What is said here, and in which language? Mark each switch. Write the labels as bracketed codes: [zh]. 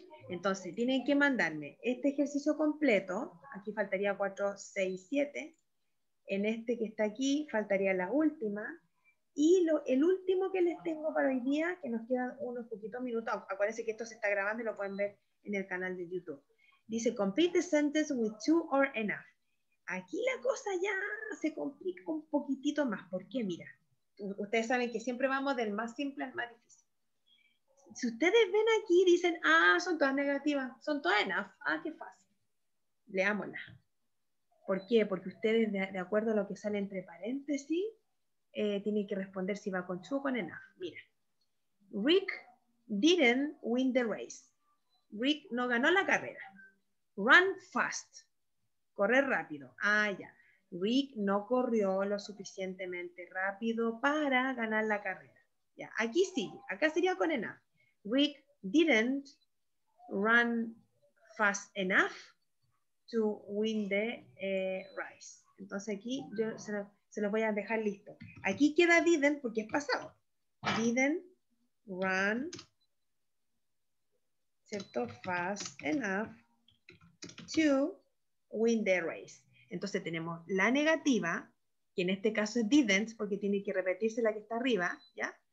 [es] Entonces, tienen que mandarme este ejercicio completo. Aquí faltaría 4, 6, 7. En este que está aquí, faltaría la última. Y el último que les tengo para hoy día, que nos quedan unos poquitos minutos. Acuérdense que esto se está grabando y lo pueden ver en el canal de YouTube. [en] Dice, complete the sentence with two or enough. [es] Aquí la cosa ya se complica un poquitito más. ¿Por qué? Mira, ustedes saben que siempre vamos del más simple al más difícil. Si ustedes ven aquí, dicen, ah, son todas negativas, son todas enough. Ah, qué fácil. Leámosla. ¿Por qué? Porque ustedes, de acuerdo a lo que sale entre paréntesis, tienen que responder si va con two o con enough. Mira, [en] Rick didn't win the race. [es] Rick no ganó la carrera. [en] Run fast. [es] Correr rápido. Ah, ya. Rick no corrió lo suficientemente rápido para ganar la carrera. Ya, aquí sí. Acá sería con enough. [en] Rick didn't run fast enough to win the race. [es] Entonces aquí yo se lo voy a dejar listo. Aquí queda didn't porque es pasado. [en] Didn't run, [es] ¿cierto? [en] Fast enough to win the race. [es] Entonces tenemos la negativa, que en este caso es didn't, porque tiene que repetirse la que está arriba, ¿ya?